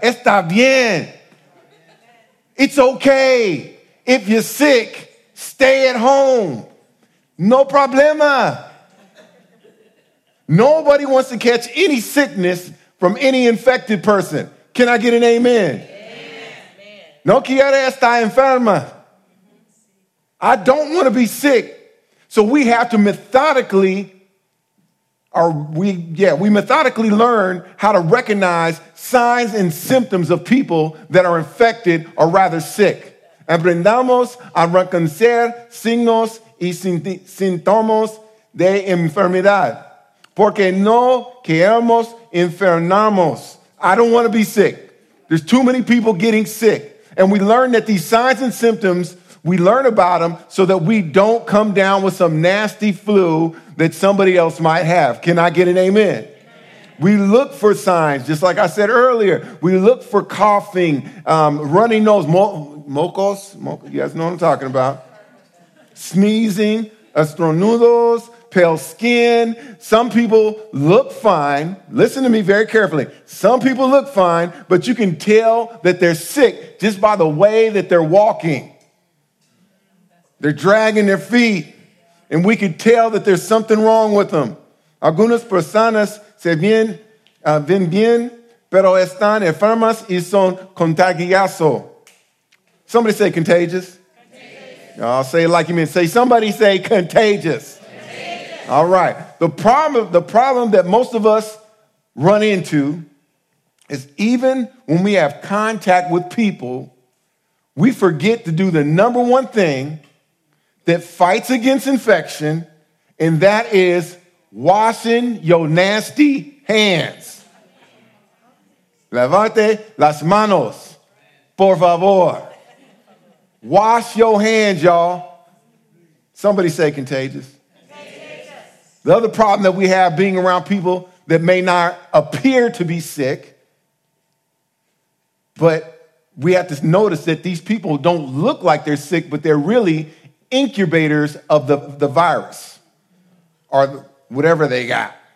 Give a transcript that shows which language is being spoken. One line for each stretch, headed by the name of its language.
Spanish: Está bien.
English: It's okay. If you're sick, stay at home.
Spanish: No problema.
English: Nobody wants to catch any sickness from any infected person. Can I get an amen? Amen.
Spanish: No quiere estar enferma.
English: I don't want to be sick. So we have to methodically learn how to recognize signs and symptoms of people that are infected or rather sick.
Spanish: Aprendamos a reconocer signos y síntomas de enfermedad. Porque no queremos enfermarnos.
English: I don't want to be sick. There's too many people getting sick. And we learn that these signs and symptoms, we learn about them so that we don't come down with some nasty flu that somebody else might have. Can I get an amen? Amen. We look for signs, just like I said earlier. We look for coughing, runny nose, mocos. You guys know what I'm talking about. Sneezing, estornudos. Pale skin. Some people look fine. Listen to me very carefully. Some people look fine, but you can tell that they're sick just by the way that they're walking. They're dragging their feet, and we can tell that there's something wrong with them.
Spanish: Algunas personas se ven bien, pero están enfermas y son contagiosos.
English: Somebody say contagious. Contagious. I'll say it like you mean. Say somebody say contagious. All right. The problem that most of us run into is even when we have contact with people, we forget to do the number one thing that fights against infection, and that is washing your nasty hands.
Spanish: Lavate las manos, por favor.
English: Wash your hands, y'all. Somebody say contagious. The other problem that we have being around people that may not appear to be sick, but we have to notice that these people don't look like they're sick, but they're really incubators of the virus or whatever they got.